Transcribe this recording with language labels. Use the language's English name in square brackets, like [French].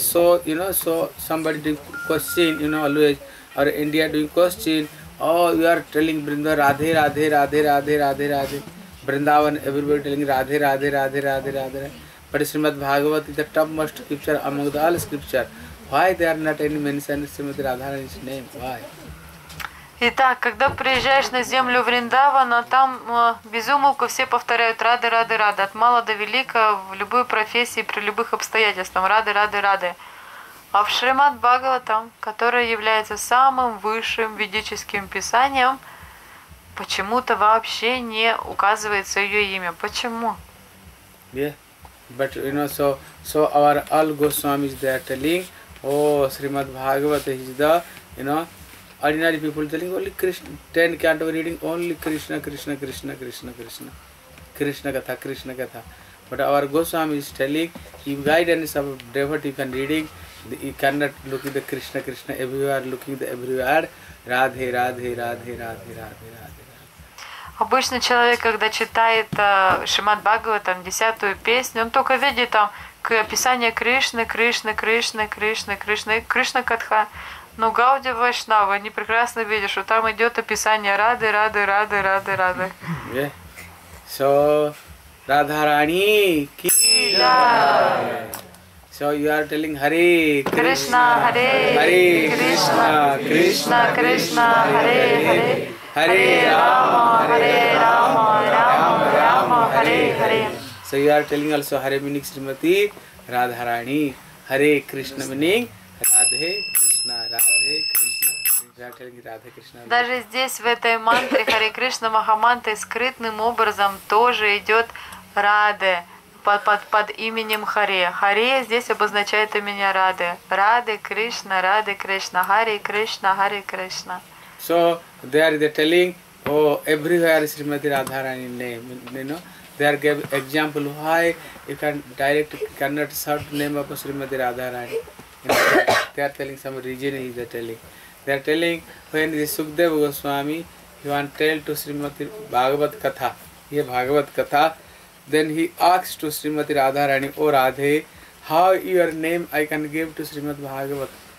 [English] So, you know, so somebody doing question, you know, always, or India doing question, oh, you are telling Vrinda Radhe Radhe Radhe Radhe Radhe Radhe. Vrindavan, everybody telling Radhe Radhe Radhe Radhe Radhe. But Srimad Bhagavat is the topmost scripture among all scripture. Why they are not any mention Srimad Radharani's name? Why? [Russian] Итак, когда приезжаешь на землю Вриндавана, там безумолку все повторяют Рады, Рады, Рады. От мала до велика, в любой профессии, при любых обстоятельствах. Рады, Рады, Рады. А в Шримад Бхагаватам, которое является самым высшим ведическим писанием, почему-то вообще не указывается ее имя. Почему? [English] Yeah. But you know, so our all Goswami is there telling, oh, Shrimad Bhagavata is the, you know, ordinary people telling only Krishna. 10 can't be reading only Krishna, Krishna, Krishna, Krishna, Krishna. Krishna Katha, Krishna Katha. But our Goswami is telling, if guidance of devotee can reading, you cannot look at the Krishna, Krishna everywhere, looking at the everywhere, Radhe, Radhe, Radhe, Radhe, Radhe, Radhe. [Russian] Обычно человек, когда читает Шримад Бхагаватам, 10-ю песню, он только видит там описание Кришны, Кришны, Кришны, Кришны, Кришны, Кришна Катха. Но Гауди Вайшнава, они прекрасно видят, что там идет описание Рады, Рады, Рады, Рады, Рады. [English] Yeah. So, Radharani ki. So you are telling Hare Krishna, Krishna Hare, Hare Krishna, Krishna, Krishna, Krishna, Hare Hare, Hare Rama, Hare Rama, Rama, Rama, Hare Hare. So you are telling also Hare meaning Srimati, Radharani, Hare Krishna meaning Radhe Krishna, Radhe Krishna. [Russian] Даже здесь, в этой мантре, Харе Кришна Махаманты, скрытным образом тоже идет Раде под именем Харе. Харе здесь обозначает имя Раде. Раде Кришна, Харе Кришна, Харе Кришна. [English] So, they are telling, oh, everywhere Srimati Radharani name, you know. They are giving example, why you can direct, cannot search name of Srimati Radharani. They are telling some region he is telling. They are telling when the Sukhdeva Goswami, he want to tell to Srimati Bhagavat Katha, ye Bhagavat Katha, then he asks to Srimati Radharani, O Radhe, how your name I can give to Srimati Bhagavat?